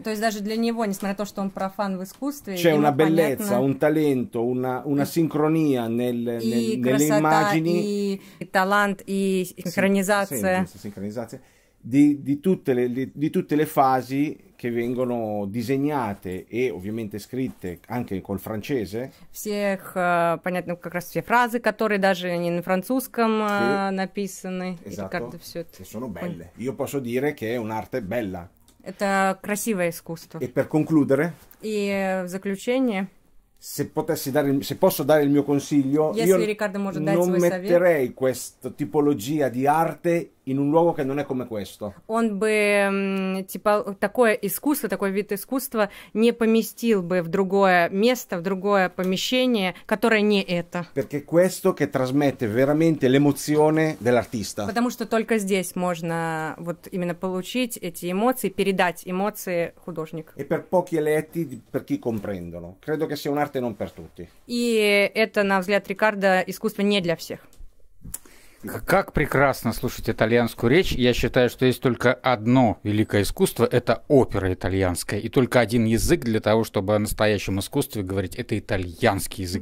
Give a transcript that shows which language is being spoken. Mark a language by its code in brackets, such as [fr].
[ru] То есть даже для него, несмотря на то, что он профан в искусстве, [it] c'è una bellezza, un talento, una sincronia nelle immagini. [ru] И талант и синхронизация. Синхронизация. [it] Di tutte le fasi che vengono disegnate e ovviamente scritte anche col francese. [ru] Всех, понятно, как раз все фразы, которые даже не на французском написаны. [it] Esatto. Che sono belle. Io posso dire che è un'arte bella. [ru] Это красивое искусство. [it] E per concludere. [ru] И в заключение. [it] Se posso dare il mio consiglio, [ru] если Рикардо может дать свой совет. [it] Non metterei questa tipologia di arte in un luogo che non è come questo. [ru] Он бы типа такое искусство, такой вид искусства не поместил бы в другое место, в другое помещение, которое не это. [it] Perché questo che trasmette veramente l'emozione dell'artista. [ru] Потому что только здесь можно вот именно получить эти эмоции, передать эмоции художник. [it] E per pochi eletti, per chi comprendono. Credo che sia un'arte non per tutti. [ru] И это, на взгляд Рикардо, искусство не для всех. Как прекрасно слушать итальянскую речь. Я считаю, что есть только одно великое искусство – это опера итальянская. И только один язык для того, чтобы о настоящем искусстве говорить – это итальянский язык.